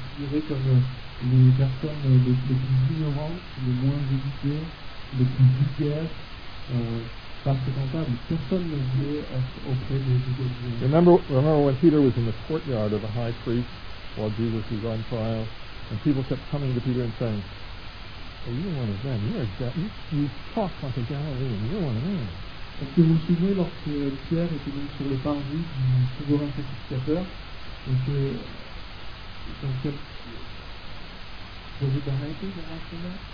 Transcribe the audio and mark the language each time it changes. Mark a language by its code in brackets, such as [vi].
[fr] Les personnes les plus ignorantes, les moins éduquées, les plus vulgaires, pas fréquentables. Personne ne voulait être auprès des Galiléens. [en] Remember when Peter was in the courtyard of the high priest while Jesus was on trial, and people kept coming to Peter and saying, "Oh, you're one of them. You talk like a Galilean. You're one of them." [fr] Est-ce que vous vous souvenez lorsque Pierre était donc sur le parvis du souverain sacrificateur et que donc vous êtes arrêté devant cela?